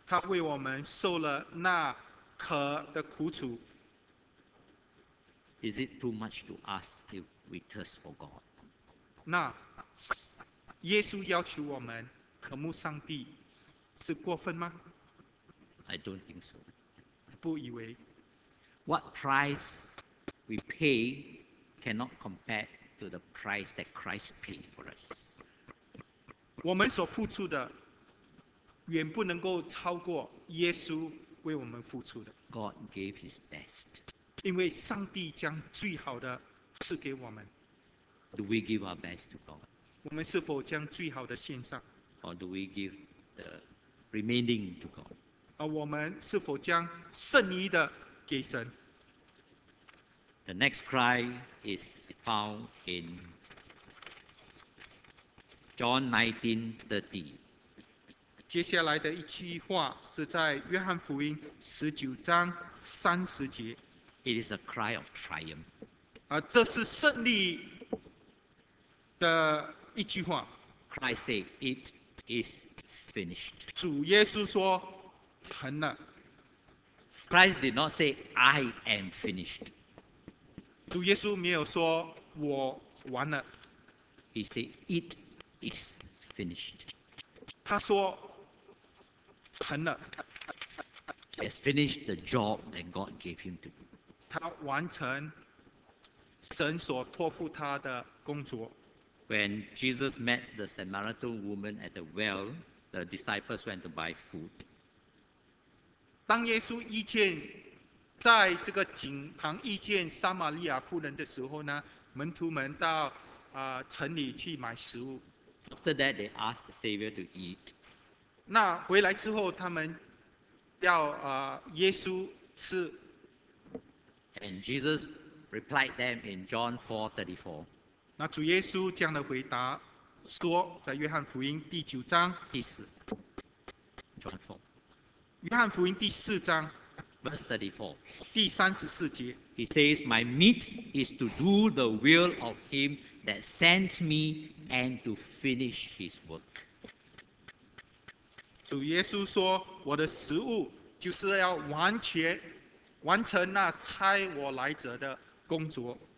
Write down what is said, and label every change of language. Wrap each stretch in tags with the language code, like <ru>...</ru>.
<zh>他为我们受了那渴的苦楚。</zh> <en>Is it too much to ask if we thirst for God?</en> <zh>那耶稣要求我们渴慕上帝，是过分吗？</zh> <en>I don't think so.</en> <zh>不以为。</zh> <en>What price we pay cannot compare to the price that Christ paid for us.</en> <zh>我们所付出的远不能够超过耶稣为我们付出的。</zh> <en>God gave His best.</en> <zh>因为上帝将最好的赐给我们。</zh> <en>Do we give our best to God?</en> <zh>我们是否将最好的献上？</zh> <en>Or do we give the remaining to God?</en> <zh>而我们是否将剩余的给神？</zh> <en>The next cry is found in John 19:30.</en> <zh>接下来的一句话是在约翰福音十九章三十节。</zh> <en>It is a cry of triumph.</en> <zh>这是胜利的一句话。</zh> <en>Christ said, "It is finished."</en> <zh>主耶稣说，成了。</zh> <en>Christ did not say, "I am finished."</en> <zh>主耶稣没有说，我完了。</zh> <en>He said, "It is finished."</en> <zh>他说，成了。</zh> <en>He has finished the job that God gave him to do.</en> <zh>他完成神所托付他的工作。</zh> <en>When Jesus met the Samaritan woman at the well, the disciples went to buy food.</en> <zh>当耶稣遇见在这个井旁遇见撒玛利亚妇人的时候呢，门徒们到城里去买食物。</zh> <en>After that, they asked the Savior to eat.</en> <zh>那回来之后，他们要耶稣吃。</zh> <en>And Jesus replied them in John 4:34.</en> <zh>那主耶稣这样的回答说，在约翰福音第九章第四，约翰福音第四章</zh> <en>verse 34,</en> <zh>第三十四节</zh> <en>，He says, "My meat is to do the will of Him that sent me and to finish His work."</en> <zh>主耶稣说，我的食物就是要完全完成那差我来者的工作。</zh>